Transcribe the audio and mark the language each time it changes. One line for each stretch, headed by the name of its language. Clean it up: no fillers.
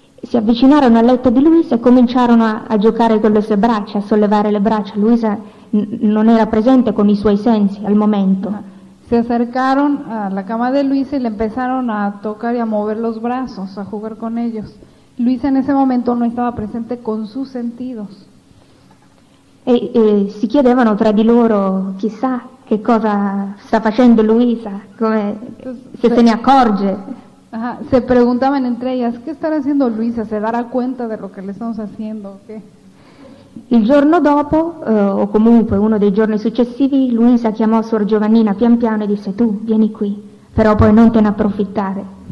Italian: si avvicinarono al letto di Luisa e cominciarono a giocare con le sue braccia, a sollevare le braccia. Luisa non era presente con i suoi sensi al momento.
Spanish: Si acercaron a la cama de Luisa y le empezaron a tocar y a mover los brazos, a jugar con ellos. Luisa en ese momento no estaba presente con sus sentidos.
Italian: E si chiedevano tra di loro, chissà che cosa sta facendo Luisa, come, se se ne accorge. Ajá.
Spanish: Se preguntaban entre ellas, ¿qué estará haciendo Luisa? ¿Se dará cuenta de lo que le estamos haciendo? ¿Qué?
Italian: Il giorno dopo, o comunque uno dei giorni successivi, Luisa chiamò Suor Giovannina pian piano e disse, tu vieni qui, però poi non te ne approfittare.